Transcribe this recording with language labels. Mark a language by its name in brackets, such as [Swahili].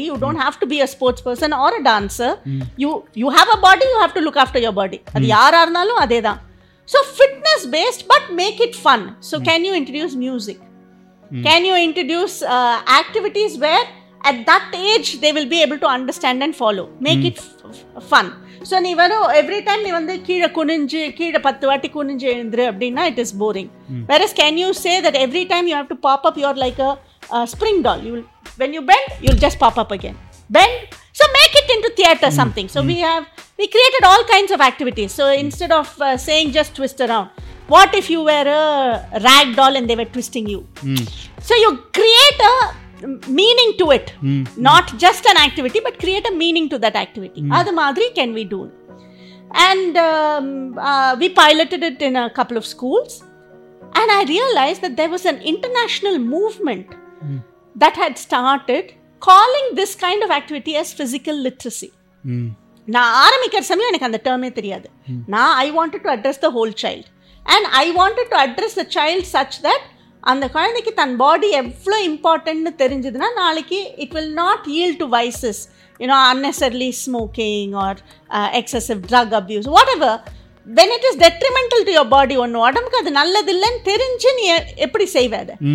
[English] You don't have to be a sports person or a dancer. You have a body, you have to look after your body. [Tamil] Adhu yara irnalum adhe dhaan. [English] So fitness based but make it fun. So can you introduce music? Can you introduce activities where at that age they will be able to understand and follow? Make it fun. [Tamil] So நீ வரும் every time நீ வந்து கீழே குனிஞ்சு கீழே பத்து வாட்டி குனிஞ்சு எழுந்துரு அப்படின்னா [English] It is boring. Whereas can you say that every time you have to pop up your like a spring doll, you when you bend you'll just pop up again bend. So make it into theatre something. So we created all kinds of activities. So instead of saying just twist around, what if you were a rock doll and they're twisting you? So you create a meaning to it, not just an activity but create a meaning to that activity. [Tamil] Adu madri [English] can we do, and we piloted it in a couple of schools and I realized that there was an international movement that had started calling this kind of activity as physical literacy. [Tamil] Na aarambikar samayam enak andha term e theriyadu. [English] Na I wanted to address the whole child and I wanted to address the child such that [Tamil] அந்த குழந்தைக்கு தன் பாடி எவ்வளோ இம்பார்ட்டன்ட்னு தெரிஞ்சதுன்னா நாளைக்கு [English] it will not yield to vices, you know unnecessarily smoking or excessive drug abuse whatever, when it is detrimental to your body, [Tamil] ஒன்று உடம்புக்கு அது நல்லதில்லைன்னு தெரிஞ்சு நீ எப்படி செய்வாத?